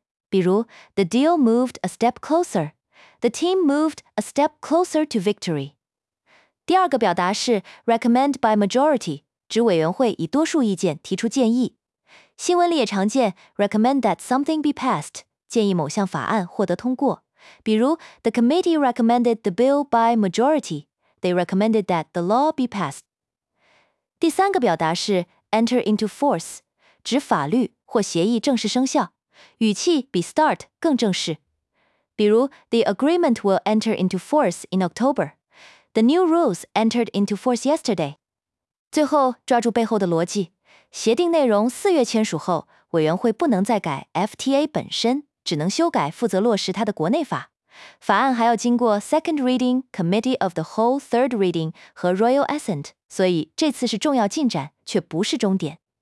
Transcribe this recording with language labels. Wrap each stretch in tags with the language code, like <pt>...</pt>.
<en>比如 the deal moved a step closer, the team moved a step closer to victory.</en> <zh>第二个表达是</zh> <en>recommend by majority,</en> <zh>指委员会以多数意见提出建议。新闻里也常见</zh> <en>recommend that something be passed，</en> <zh>建议某项法案获得通过。</zh> <en>比如 ,the committee recommended the bill by majority, they recommended that the law be passed.</en> <zh>第三个表达是 enter into force, 指法律或协议正式生效，语气比 start 更正式。</zh> <en>比如 ,the agreement will enter into force in October, the new rules entered into force yesterday.</en> <zh>最后抓住背后的逻辑，协定内容四月签署后，委员会不能再改 FTA 本身。只能修改负责落实它的国内法，法案还要经过 Second Reading, Committee of the Whole, Third Reading 和 Royal Assent， 所以这次是重要进展，却不是终点。</zh>